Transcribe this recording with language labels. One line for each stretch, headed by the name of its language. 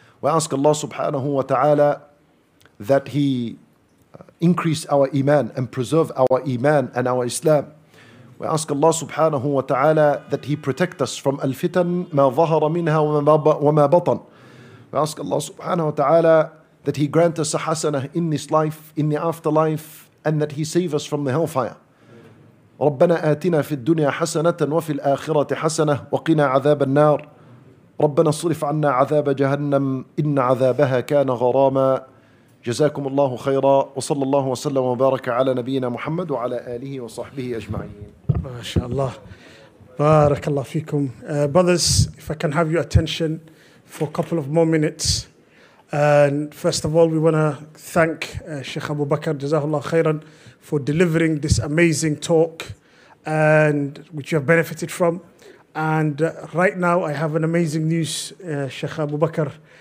English: We ask Allah subhanahu wa ta'ala that He increase our iman and preserve our iman and our Islam. We ask Allah subhanahu wa ta'ala that He protect us from
Arabic: al-fitan ma zahara minha wa ma batan.
English: We ask Allah subhanahu wa ta'ala that He grant us a hasanah in this life, in the afterlife, and that He save us from the hellfire.
Arabic: ربنا آتنا في الدنيا حسنة وفي الآخرة حسنة وقنا عذاب النار ربنا صرف عنا عذاب جهنم إن عذابها كان غراما جزاكم الله خيرا وصلى الله وسلم وبارك على نبينا محمد وعلى آله وصحبه أجمعين ما شاء الله بارك الله فيكم
English: brothers if I can have your attention for a couple of more minutes and first of all we want to thank Sheikh Abu Bakr Jazahullah khairan for delivering this amazing talk and which you have benefited from and right now I have an amazing news Sheikh Abu Bakr